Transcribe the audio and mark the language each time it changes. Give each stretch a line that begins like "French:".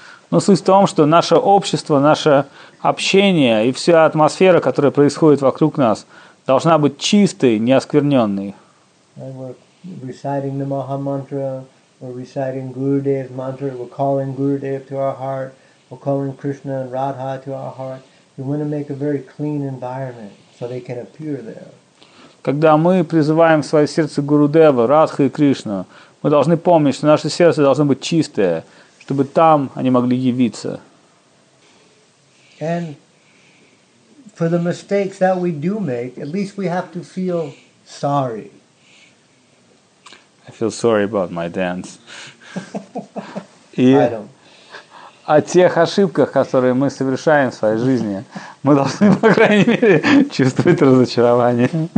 Russian: Но суть в том, что наше общество, наше общение и вся атмосфера, которая происходит вокруг нас, должна быть чистой, не оскверненной.
English: And we're reciting the Maha Mantra, we're reciting Gurudev's mantra, we're calling Gurudev to our heart, we're calling Krishna and Radha to our heart. We want to make a very clean environment so they can appear there.
Russian: Когда мы призываем в свое сердце Гурудева, Радха и Кришну, мы должны помнить, что наше сердце должно быть чистое, чтобы там они могли явиться.
English: And for the mistakes that we do make, at least we have to feel sorry. I feel sorry about my dance.
Russian: И о тех ошибках, которые мы совершаем в своей жизни, мы должны, по крайней мере, чувствовать разочарование.